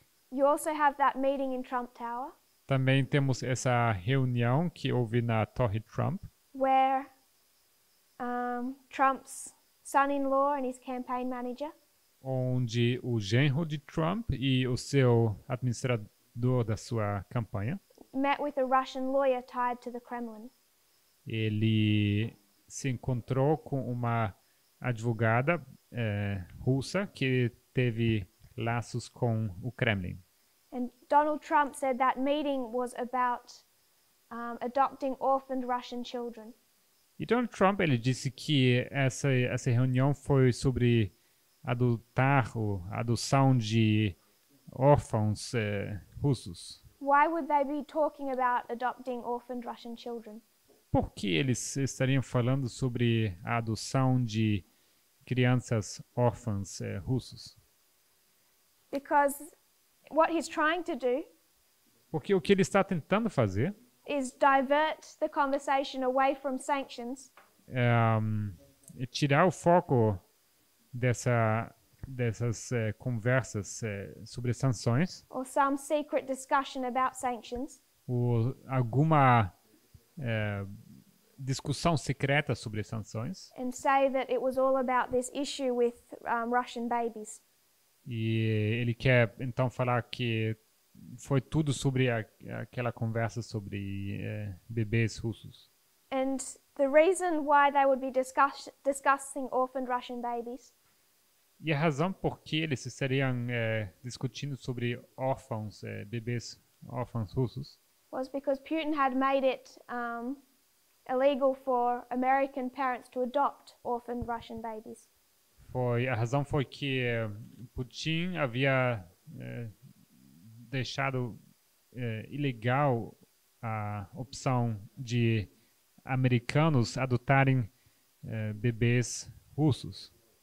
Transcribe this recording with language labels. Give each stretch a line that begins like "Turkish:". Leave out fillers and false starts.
English: You also have that meeting in Trump Tower.
Portuguese: Também temos essa reunião que houve na Torre Trump.
English: Where Trump's son-in-law and his campaign manager.
Portuguese: Onde o genro de Trump e o seu administrador da sua campanha.
English: Met with a Russian lawyer tied to the Kremlin.
Portuguese: Ele se encontrou com uma advogada russa que teve laços com o Kremlin.
English: And Donald Trump said that meeting was about adopting orphaned Russian children.
Portuguese: E Donald Trump, ele disse que essa reunião foi sobre adotar ou adoção de órfãos russos.
English: Why would they be talking about adopting orphaned Russian children?
Portuguese: Por que eles estariam falando sobre a adoção de crianças órfãs russos?
English: Because what he's trying to do,
Portuguese: porque o que ele está tentando fazer,
English: is divert the conversation away from sanctions,
Portuguese: é tirar o foco dessas conversas sobre sanções,
English: or some secret discussion about sanctions,
Portuguese: ou alguma discussão secreta sobre sanções,
English: and say that it was all about this issue with Russian babies.
Portuguese: E ele quer, então, falar que foi tudo sobre aquela conversa sobre bebês russos.
English: And the reason why they would be discussing orphaned Russian babies.
Portuguese: E a razão por que eles estariam discutindo sobre órfãos, bebês órfãos russos.
English: Was because Putin had made it illegal for American parents to adopt orphaned Russian babies.
Portuguese: A razão foi que Putin havia deixado ilegal a opção de americanos adotarem bebês russos.